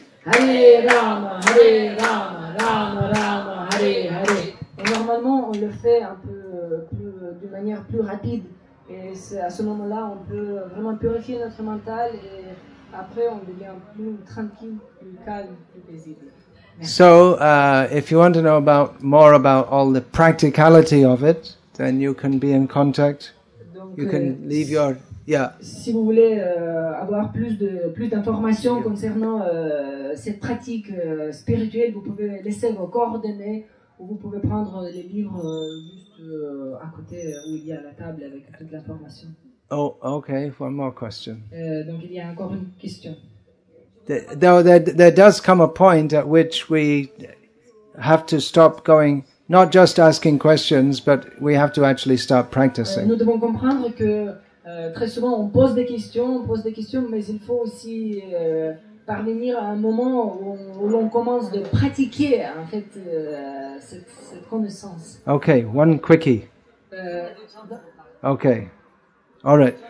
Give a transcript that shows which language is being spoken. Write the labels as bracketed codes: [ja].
[sa] Hare Rama, Hare Rama, Rama Rama, Hare Hare. [fr] Et normalement, on le fait un peu plus, de manière plus rapide. Et c'est à ce moment-là, on peut vraiment purifier notre mental et après, on devient plus tranquille, plus calme, plus paisible. [en] So, if you want to know about more about all the practicality of it, then you can be in contact. [fr] Donc, [en] you can leave your [fr] Si vous voulez avoir plus d'informations concernant cette pratique spirituelle, vous pouvez laisser vos coordonnées ou vous pouvez prendre les livres juste à côté où il y a la table avec toute l'information. [en] Oh, okay. One more question. [fr] Donc il y a encore une question. [en] Though there does come a point at which we have to stop going, not just asking questions, but we have to actually start practicing. [fr] Nous devons comprendre que très souvent on pose des questions, mais il faut aussi parvenir à un moment où l'on commence de pratiquer en fait cette connaissance. [en] Okay, one quickie. Okay, all right.